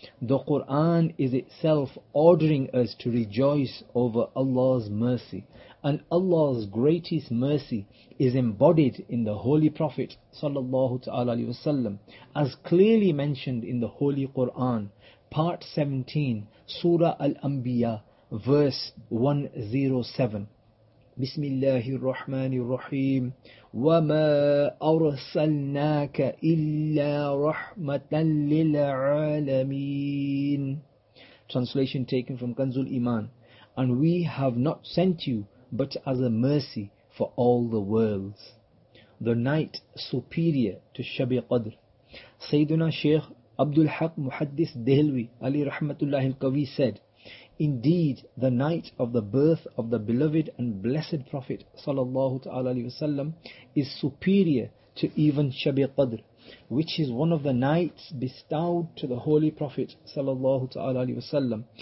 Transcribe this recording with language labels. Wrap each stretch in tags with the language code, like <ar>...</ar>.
<en>The Quran is itself ordering us to rejoice over Allah's mercy, and Allah's greatest mercy is embodied in the Holy Prophet</en> <ar>sallallahu ta'ala alayhi wa sallam,</ar> <en>as clearly mentioned in the Holy Quran, part 17, Surah Al-Anbiya, verse 107.</en> <ar>بسم الله الرحمن الرحيم وما أرسلناك إلا رحمة للعالمين.</ar> <en>Translation taken from Kanzul Iman. And we have not sent you but as a mercy for all the worlds. The night superior to Shabi Qadr. Sayyiduna Shaykh Abdul Haq Muhaddis Dehlvi Ali Rahmatullahi Al-Qawi said, indeed, the night of the birth of the beloved and blessed Prophet</en> <ar>sallallahu ta'ala alayhi wasallam</ar> <en>is superior to even Shabi Qadr, which is one of the nights bestowed to the Holy Prophet sallallahu ta'ala alayhi wasallam.</en>